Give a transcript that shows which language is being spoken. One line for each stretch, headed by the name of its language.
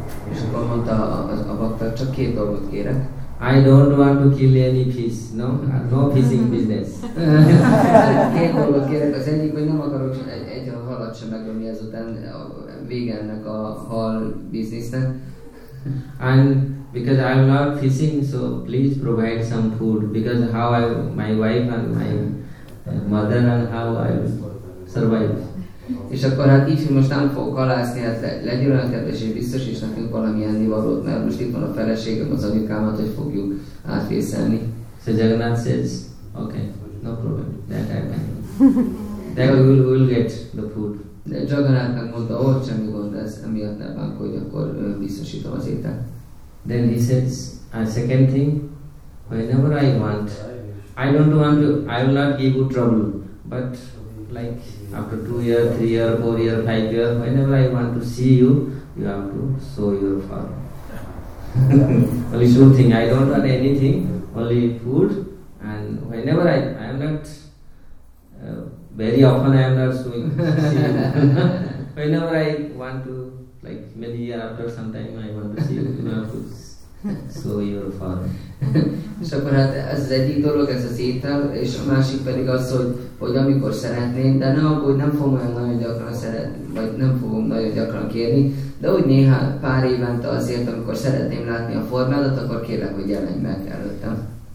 Hungarian: És akkor mondta a bakta, csak két dolgot kérek.
English: I don't want to kill any fish, no? No fishing business.
Hungarian: Két dolgot kérek, az egyik, hogy nem akarok egy halat sem megölni ezután vége ennek a hal biznisznek.
English: And because I'm not fishing, so please provide some food, because how I, my wife and my mother and how I survive.
Hungarian: És akkor hát így, hogy most nem fogok halászni, hát legyen olyan kedves, és biztos is nekünk valami ennivalót, mert most itt van a feleségem, az anyukámat, hogy fogjuk átvészelni.
English: So Jagannath says, okay, no problem, that I can. Then we'll get the food.
Hungarian: De Jagannath megmondta, ó, semmi gond, ez emiatt ne bánkodj, akkor biztosítom az ételt.
English: Then he says, and second thing, whenever I want, I don't want to, I will not give you trouble, but like, after 2 years, 3 years, 4 years, 5 years, whenever I want to see you, you have to show your form. Only two things, I don't want anything, only food, and whenever I am not, very often I am not showing, whenever I want to, like many years after some time I want to see you, you have to show your form.
Hungarian: És akkor hát ez az egyik dolog, ez az étel, és a másik pedig az, hogy amikor szeretném, de ne aggódj, nem fogom olyan nagyon gyakran szeretni, vagy nem fogom nagyon gyakran kérni, de úgy néha pár évente azért, amikor szeretném látni a formádat, akkor kérlek, hogy jelenj meg előttem.